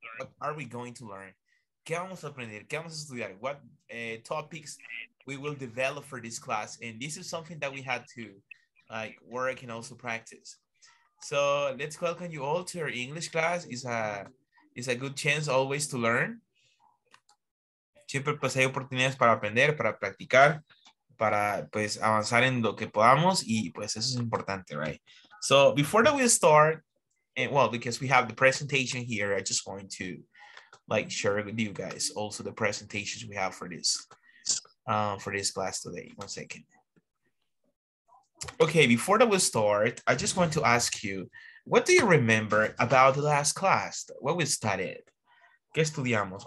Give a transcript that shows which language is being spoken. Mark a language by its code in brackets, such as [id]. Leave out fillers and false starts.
[en] What are we going to learn? [es] ¿Qué vamos a aprender? ¿Qué vamos a estudiar? [en] What topics we will develop for this class? And this is something that we had to like work and also practice. So let's welcome you all to our English class. It's a good chance always to learn. [es] Siempre pues hay oportunidades para aprender, para practicar, para pues avanzar en lo que podamos, y pues eso es importante, right? [en] So before that we start, and well, because we have the presentation here, I just want to like share with you guys also the presentations we have for this class today. One second. Okay, before that we start, I just want to ask you, what do you remember about the last class? What we studied? [es] ¿Qué estudiamos?